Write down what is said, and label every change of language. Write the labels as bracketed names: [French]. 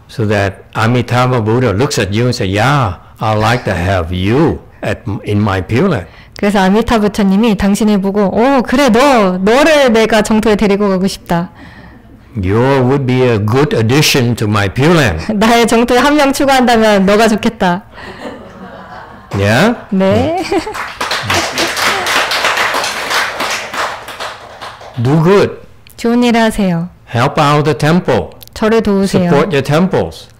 [English] So that Amitabha Buddha looks at you and says, "Yeah, I'd like to have you in my Pure Land." [Korean] 그래서 아미타 부처님이 당신을 보고, 오, 그래, 너를 내가 정토에 데리고 가고 싶다. [English] You would be a good addition to my Pure Land. [Korean] 나의 정토에 한 명 추가한다면 너가 좋겠다. [English] Yeah? [Korean] 네. [English] Do good. [Korean] 좋은 일 하세요. [English] Help out the temple. [Korean] 저를 도우세요. [English] Support your temples.